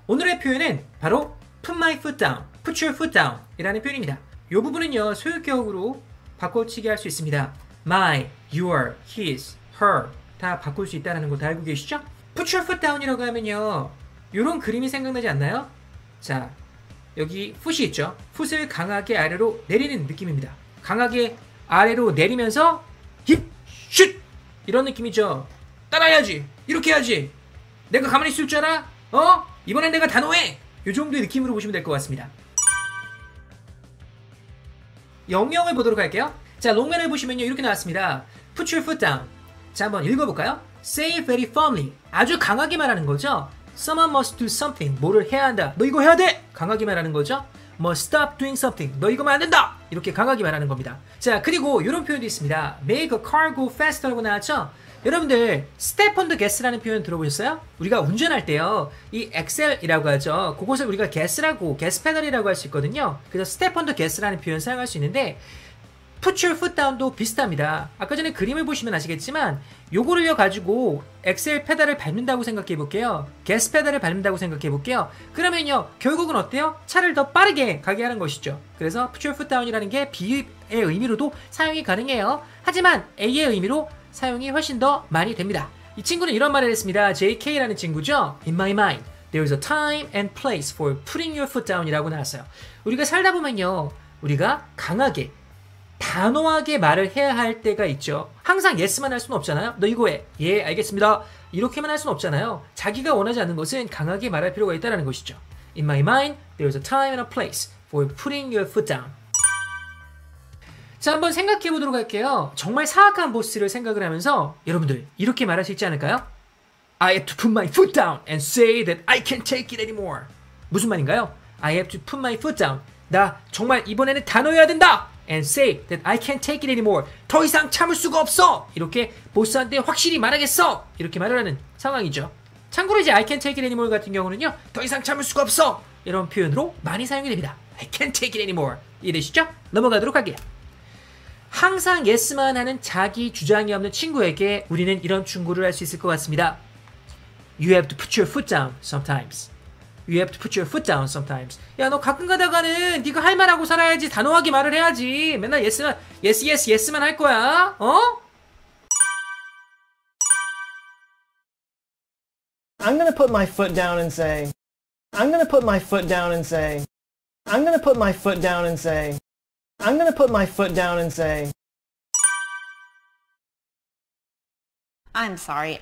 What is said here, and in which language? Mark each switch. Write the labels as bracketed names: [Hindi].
[Korean] 오늘의 표현은 바로 [English] put my foot down, put your foot down [Korean] 이라는 표현입니다. 이 부분은요, 소유격으로 바꿔치기 할 수 있습니다. My, your, his, her 다 바꿀 수 있다는 거 다 알고 계시죠? [English] Put your foot down [Korean] 이라고 하면요, 이런 그림이 생각나지 않나요? 자, 여기 foot이 있죠? foot을 강하게 아래로 내리는 느낌입니다. 강하게 아래로 내리면서 힙, 슛! 이런 느낌이죠. 따라야지! 이렇게 해야지! 내가 가만히 있을 줄 알아? 어? 이번엔 내가 단호해! 이 정도의 느낌으로 보시면 될 것 같습니다. 영영을 보도록 할게요. 자, 롱맨을 보시면요 이렇게 나왔습니다. [English] Put your foot down. [Korean] 자, 한번 읽어볼까요? [English] Say it very firmly. [Korean] 아주 강하게 말하는 거죠. [English] Someone must do something. [Korean] 뭐를 해야 한다. 너 이거 해야 돼! 강하게 말하는 거죠. [English] Must stop doing something. [Korean] 너 이거 하면 안 된다! 이렇게 강하게 말하는 겁니다. 자, 그리고 이런 표현도 있습니다. [English] Make a car go faster라고 [Korean] 나왔죠? 여러분들, [English] step on the gas [Korean] 라는 표현 들어보셨어요? 우리가 운전할 때요, 이 엑셀이라고 하죠. 그것을 우리가 gas라고, gas pedal이라고 할 수 있거든요. 그래서 [English] step on the gas [Korean] 라는 표현 사용할 수 있는데, [English] put your foot down [Korean] 도 비슷합니다. 아까 전에 그림을 보시면 아시겠지만, 요거를 가지고 엑셀 페달을 밟는다고 생각해 볼게요. 가스 페달을 밟는다고 생각해 볼게요. 그러면요, 결국은 어때요? 차를 더 빠르게 가게 하는 것이죠. 그래서 [English] put your foot down [Korean] 이라는 게 B의 의미로도 사용이 가능해요. 하지만 A의 의미로 사용이 훨씬 더 많이 됩니다. 이 친구는 이런 말을 했습니다. JK라는 친구죠. [English] In my mind, there is a time and place for putting your foot down이라고 [Korean] 나왔어요. 우리가 살다 보면요, 우리가 강하게 단호하게 말을 해야 할 때가 있죠. 항상 예스만 할 수는 없잖아요. 너 이거 해. 예, 알겠습니다. 이렇게만 할 수는 없잖아요. 자기가 원하지 않는 것은 강하게 말할 필요가 있다는 것이죠. [English] In my mind, there is a time and a place for putting your foot down. [Korean] 자, 한번 생각해 보도록 할게요. 정말 사악한 보스를 생각을 하면서 여러분들 이렇게 말할 수 있지 않을까요? [English] I have to put my foot down and say that I can't take it anymore. [Korean] 무슨 말인가요? [English] I have to put my foot down. [Korean] 나 정말 이번에는 단호해야 된다. [English] And say that I can't take it anymore. [Korean] 더 이상 참을 수가 없어. 이렇게 보스한테 확실히 말하겠어. 이렇게 말을 하는 상황이죠. 참고로 이제 [English] I can't take it anymore [Korean] 같은 경우는요. 더 이상 참을 수가 없어. 이런 표현으로 많이 사용이 됩니다. [English] I can't take it anymore. [Korean] 이해되시죠? 넘어가도록 할게요. 항상 yes만 하는 자기 주장이 없는 친구에게 우리는 이런 충고를 할 수 있을 것 같습니다. [English] You have to put your foot down sometimes. You have to put your foot down sometimes. [Korean] 야, 너 가끔 가다가는 네가 할 말하고 살아야지. 단호하게 말을 해야지. 맨날 yes만, yes, yes, yes만 할 거야. 어? [English] I'm gonna put my foot down and say. I'm gonna put my foot down and say. I'm gonna put my foot down and say. I'm gonna put my foot down and say. I'm sorry.